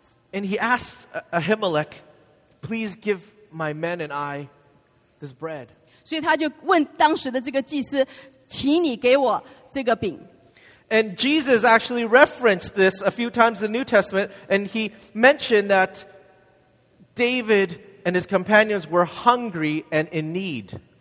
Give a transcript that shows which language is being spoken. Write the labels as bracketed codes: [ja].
[en] And he asked Ahimelech, please give my men and I this bread. [zh] 所以他就问当时的这个祭司，请你给我这个饼。 [en] And Jesus actually referenced this a few times in the New Testament, and he mentioned that David and his companions were hungry and in need.